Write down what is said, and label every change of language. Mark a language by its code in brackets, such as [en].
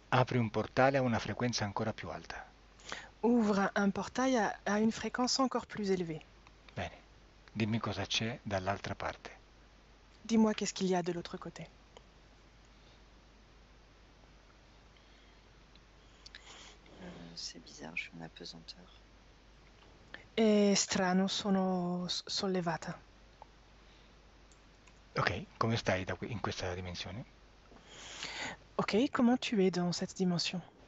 [it] Apri un portale a una frequenza ancora più alta. [fr] Ouvre un portail à une fréquence encore plus élevée. [it] Dimmi cosa c'è dall'altra parte. [fr] Dis-moi qu'est-ce qu'il y a de l'autre côté. C'est bizarre, je suis en apesanteur. [it] È strano, sono sollevata. Ok, come stai da qui, in questa dimensione? [fr] Ok, comment tu es dans cette dimension?